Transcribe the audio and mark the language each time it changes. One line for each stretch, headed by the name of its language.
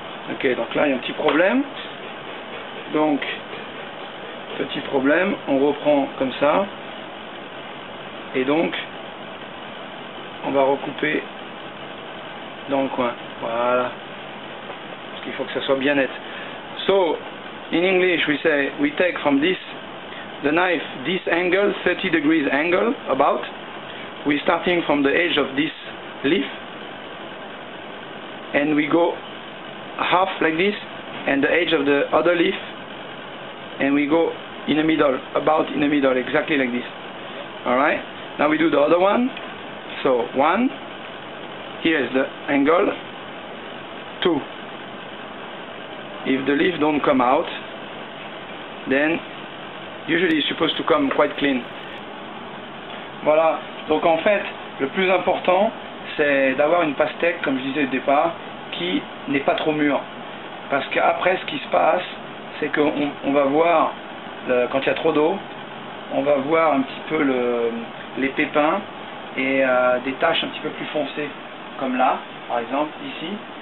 French: Ok, donc là, il y a un petit problème. Donc, petit problème, on reprend comme ça. Et donc, on va recouper dans le coin. Voilà. Parce qu'il faut que ça soit bien net.
English: So, in English, we say, we take from this, the knife, this angle, 30 degrees angle, about. We starting from the edge of this leaf. And we go half like this, and the edge of the other leaf. And we go in the middle, about in the middle, exactly like this. All right? Now we do the other one. So, one. Here's the angle. Two. If the leaf don't come out, then usually it's supposed to come quite clean.
French: Voilà. Donc en fait, le plus important, c'est d'avoir une pastèque, comme je disais au départ, qui n'est pas trop mûre. Parce qu'après, ce qui se passe, c'est qu'on va voir, quand il y a trop d'eau, on va voir un petit peu les pépins et des taches un petit peu plus foncées, comme là, par exemple, ici.